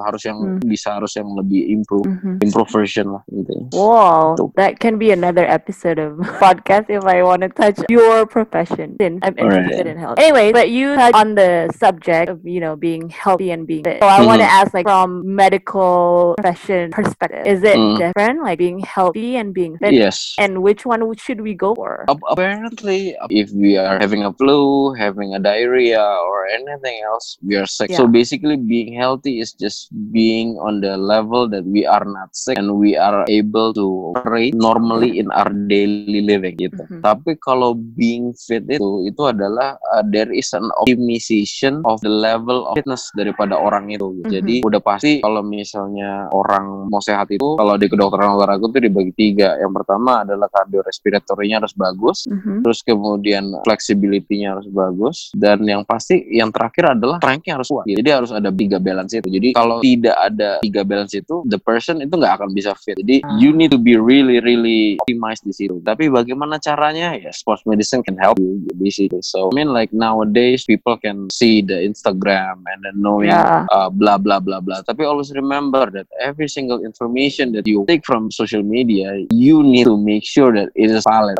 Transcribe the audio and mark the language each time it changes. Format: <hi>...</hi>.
<id>Harus yang bisa, harus yang lebih improve, improve version lah gitu.</id> <en>Wow, that can be another episode of podcast if I want to touch your profession. I'm interested in health. Anyway, but you touched on the subject of, you know, being healthy and being fit. So I want to ask, like, from medical profession perspective, is it different, like, being healthy and being fit? Yes. And which one should we go for? Apparently, if we are having a flu, having a diarrhea, or anything else, we are sick. Yeah. So basically, being healthy is just being on the level that we are not sick and we are able to operate normally in our daily living gitu. Mm-hmm. Tapi kalau being fit itu adalah there is an optimization of the level of fitness daripada orang itu. Mm-hmm.</en> <id>Jadi udah pasti kalau misalnya orang mau sehat itu, kalau di kedokteran olahraga itu dibagi tiga. Yang pertama adalah kardiorespiratorinya harus bagus, terus kemudian flexibility-nya harus bagus, dan yang pasti yang terakhir adalah strength-nya harus kuat. Jadi harus ada tiga balance itu. Jadi kalau tidak ada tiga balance itu, the person itu nggak akan bisa fit.</id> <en>Jadi you need to be really really optimized di situ. Tapi bagaimana caranya? Ya, sports medicine can help you di situ. So I mean, like, nowadays people can see the Instagram and then knowing blah blah blah blah. Tapi always remember that every single information that you take from social media, you need to make sure that it is valid.</en>